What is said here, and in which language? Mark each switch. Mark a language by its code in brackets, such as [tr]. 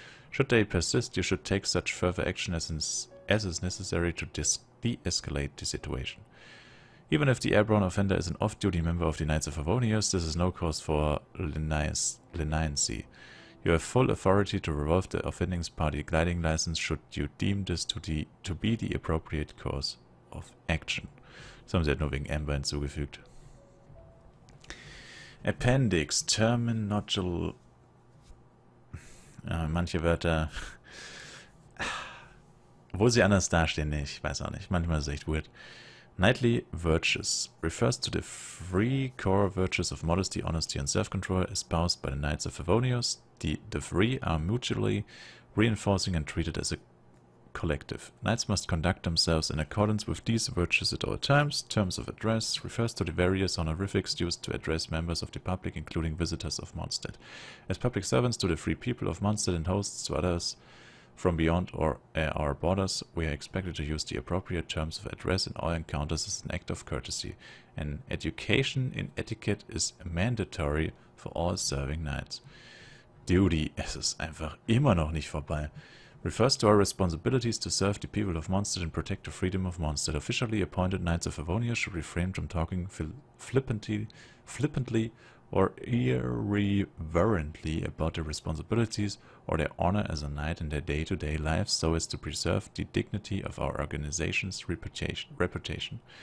[en] Should they persist, you should take such further action as is necessary to de-escalate the situation. Even if the airborne offender is an off-duty member of the Knights of Favonius, this is no cause for leniency. You have full authority to revoke the offending party's gliding license should you deem this to be the appropriate course of action. [de] Das haben sie halt nur wegen Amber hinzugefügt. [en] Appendix, Terminological. [de] Manche Wörter, wo sie anders dastehen, ich weiß auch nicht. Manchmal ist es echt weird. [en] Knightly virtues refers to the three core virtues of modesty, honesty and self-control espoused by the Knights of Favonius. The three are mutually reinforcing and treated as a collective. Knights must conduct themselves in accordance with these virtues at all times. Terms of address refers to the various honorifics used to address members of the public, including visitors of Mondstadt. As public servants to the free people of Mondstadt and hosts to others from beyond our borders, we are expected to use the appropriate terms of address in all encounters as an act of courtesy. An education in etiquette is mandatory for all serving knights. [de] Duty, es ist einfach immer noch nicht vorbei. [en] Refers to our responsibilities to serve the people of Mondstadt and protect the freedom of Mondstadt. Officially appointed knights of Favonius should refrain from talking flippantly or irreverently about their responsibilities or their honor as a knight in their day-to-day lives so as to preserve the dignity of our organization's reputation.